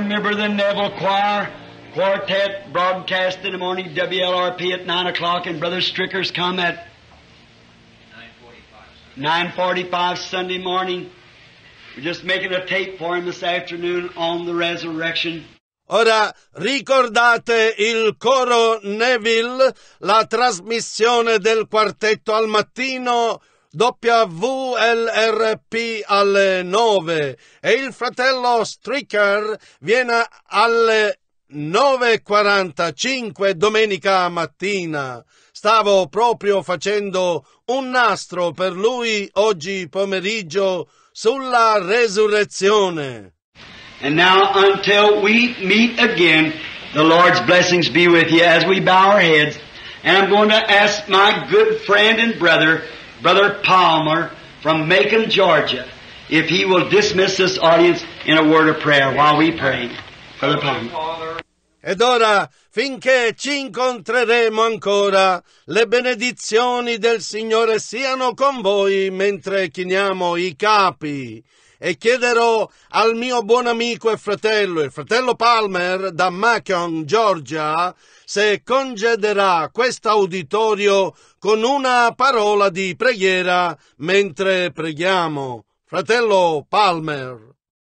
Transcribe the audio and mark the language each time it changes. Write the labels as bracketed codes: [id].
[en] The Neville Quartet broadcast in the morning, WLRP at 9 o'clock, and Brother Stricker's come at 9:45 Sunday morning. We're just making a tape for him this afternoon on the resurrection. [it] Ora ricordate il coro Neville, la trasmissione del quartetto al mattino. WLRP alle 9 e il fratello Stricker viene alle 9:45 domenica mattina. Stavo proprio facendo un nastro per lui oggi pomeriggio sulla resurrezione. [en] And now until we meet again, the Lord's blessings be with you as we bow our heads, and I'm going to ask my good friend and brother, Brother Palmer from Macon, Georgia, if he will dismiss this audience in a word of prayer while we pray. Brother Palmer. [it] Ed ora, finché ci incontreremo ancora, le benedizioni del Signore siano con voi mentre chiniamo i capi. E chiederò al mio buon amico e fratello, il fratello Palmer da Macon, Georgia, se congederà quest'auditorio con una parola di preghiera mentre preghiamo. Fratello Palmer.